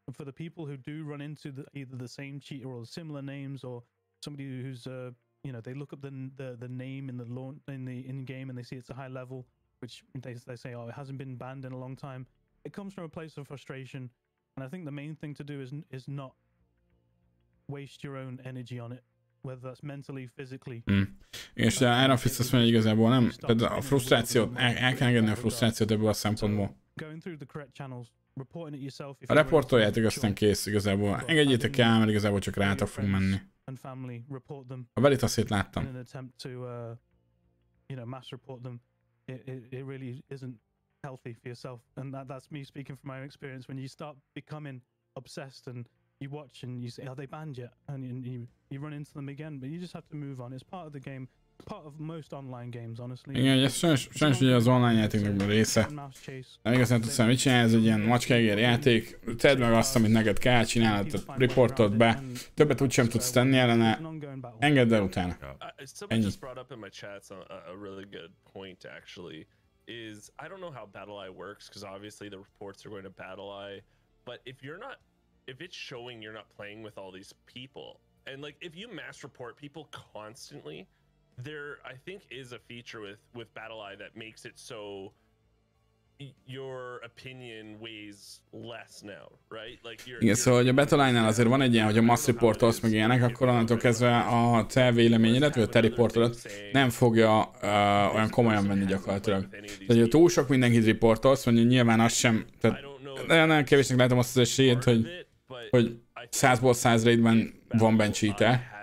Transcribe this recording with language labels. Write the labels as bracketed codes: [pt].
[en] For the people who do run into either the same cheater or similar names, or somebody who's, you know, they look up the name in the launch, in the in-game, and they see it's a high level, which they say, oh, it hasn't been banned in a long time. It comes from a place of frustration, and I think the main thing to do is not waste your own energy on it, whether that's mentally, physically. [hu] Igen, és de IronFistsTV azt mondja, igazából nem, tehát a frusztrációt, el kell engedni a frusztrációt ebből a szempontból. [en] Going through the correct channels, reporting it yourself. [hu] A reportoljátok, aztán kész, igazából. Engedjétek el, mert igazából csak rátok fog menni. [en] And family, report them. [hu] A Veritasét láttam. [en] In an attempt to, you know, mass report them, it really isn't healthy for yourself, and that's me speaking from my own experience. When you start becoming obsessed and you watch and you say, are they banned yet, and you run into them again, but you just have to move on. It's part of the game, part of most online games, honestly. [hu] Igen, ez sajnos ugye az online játéknak a része. Nem igazán tudsz, hogy mit csinálj, ez egy ilyen macskaegér játék. Tedd meg azt, amit neked kell, csinálod, riportod be. Többet úgy sem tudsz tenni ellene. Engedd el utána. [en] Somebody just brought up in my chat a really good point, actually. Is I don't know how BattleEye works, because obviously the reports are going to BattleEye, but if it's showing you're not playing with all these people, and like if you mass report people constantly, there I think is a feature with BattleEye that makes it so your opinion weighs less now, right? Like you're. [hu] Igen, szóval hogy a BattleEye-nál azért van egy ilyen, hogy a mass reportolsz meg ilyenek, akkor onnantól kezdve a te véleményedet, vagy a te reportodat nem fogja olyan komolyan venni gyakorlatilag. Tehát, hogy túl sok mindenkit reportolsz, mondja, nyilván az sem, tehát nagyon kevésnek látom azt az esélyt, hogy 100-ból 100 raidben van bent cheater.